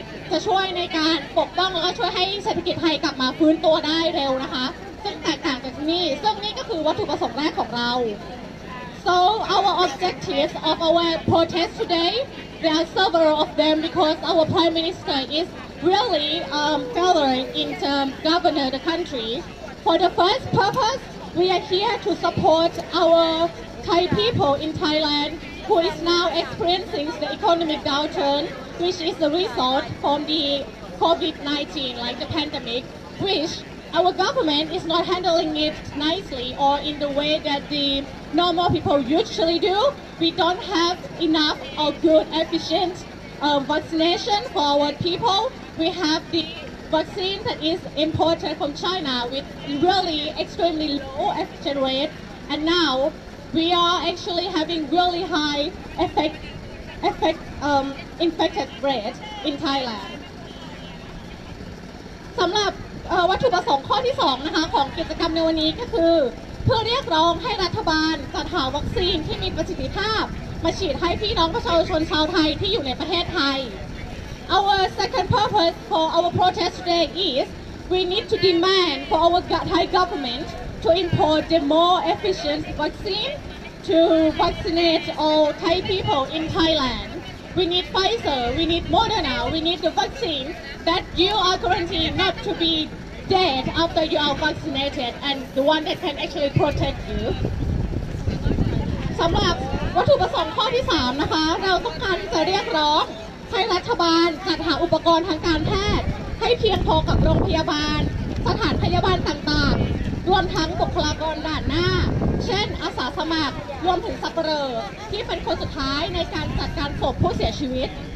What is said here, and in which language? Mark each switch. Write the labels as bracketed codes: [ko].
[th] จะช่วยในการปกป้องแล้วก็ช่วยให้เศรษฐกิจไทยกลับมาฟื้นตัวได้เร็วนะคะซึ่งแตกต่างจากนี้ซึ่งนี่ก็คือวัตถุประสงค์แรกของเรา [en] So our objectives of our protest today there are several of them because our prime minister isreally gathering in term governor the country. For the first purpose, we are here to support our Thai people in Thailand who is now experiencing the economic downturn, which is the result from the COVID-19, like the pandemic, which our government is not handling it nicely or in the way that the normal people usually do. We don't have enough or good efficient vaccination for our people. We have the vaccine that is imported from China with really extremely low exchange rate, and now we are actually having really high infected rate in Thailand. [th] สำหรับวัตถุประสงค์ข้อที่สองนะคะของกิจกรรมในวันนี้ก็คือเพื่อเรียกร้องให้รัฐบาลจัดหาวัคซีนที่มีประสิทธิภาพมาฉีดให้พี่น้องประชาชนชาวไทยที่อยู่ในประเทศไทย [en] Our second purpose for our protest today is we need to demand for our Thai government to import the more efficient vaccine to vaccinate all Thai people in Thailand. We need Pfizer, we need Moderna, we need the vaccine that you are guaranteed not to be dead after you are vaccinated and the one that can actually protect you. [th] สำหรับวัตถุประสงค์ข้อที่สามนะคะเราต้องการจะเรียกร้องให้รัฐบาลจัดหาอุปกรณ์ทางการแพทย์ให้เพียงพอกับโรงพยาบาลสถานพยาบาลต่างๆรวมทั้งบุคลากรด่านหน้า เช่นอาสาสมัครรวมถึงสัปเหร่อที่เป็นคนสุดท้ายในการจัดการศพผู้เสียชีวิต